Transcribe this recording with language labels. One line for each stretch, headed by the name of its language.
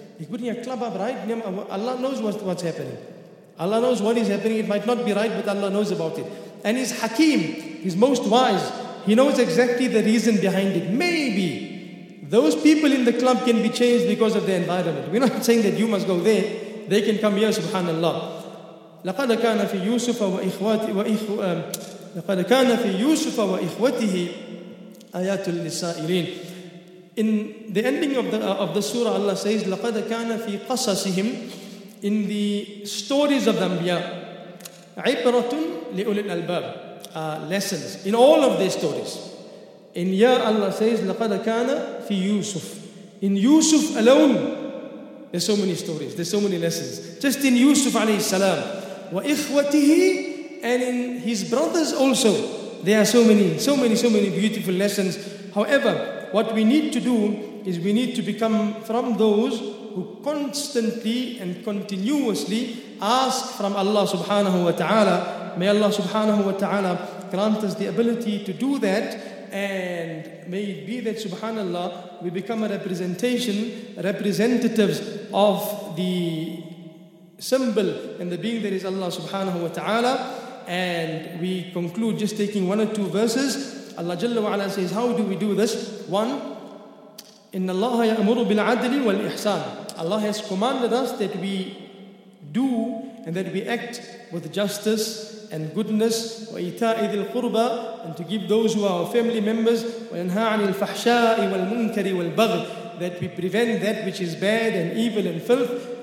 English: He's putting a club up right near, Allah knows what's happening. Allah knows what is happening. It might not be right, but Allah knows about it. And he's hakim, he's most wise. He knows exactly the reason behind it. Maybe those people in the club can be changed because of the environment. We're not saying that you must go there. They can come here, subhanAllah.
Arabic: لقد كان في يوسف وإخوته لقد كان في يوسف وإخوته آيات للسائلين.
English: In the ending of the surah, Allah says,
Arabic: لقد كان في قصصهم,
English: in the stories of the Anbiya,
Arabic: عبرة لأولي الألباب,
English: lessons in all of their stories. In Ya, Allah says,
Arabic: لقد كان في يوسف.
English: In Yusuf alone, there's so many stories, there's so many lessons. Just in Yusuf alayhi salam,
Arabic: وَإِخْوَتِهِ,
English: and in his brothers also, there are so many beautiful lessons. However, what we need to do is we need to become from those who constantly and continuously ask from Allah subhanahu wa ta'ala. May Allah subhanahu wa ta'ala grant us the ability to do that. And may it be that, subhanAllah, we become a representatives of the symbol and the being that is Allah subhanahu wa ta'ala. And we conclude just taking one or two verses. Allah jalla wa ala says, how do we do this?
Arabic: One, إِنَّ اللَّهَ يَأْمُرُ بِالْعَدْلِ وَالْإِحْسَانِ.
English: Allah has commanded us that we do and that we act with justice and goodness,
Arabic: وَإِيْتَاءِ ذِي الْقُرْبَى,
English: and to give those who are our family members,
Arabic: وَيَنْهَى عَنِ الْفَحْشَاءِ وَالْمُنْكَرِ وَالْبَغْضِ,
English: that we prevent that which is bad and evil and filth.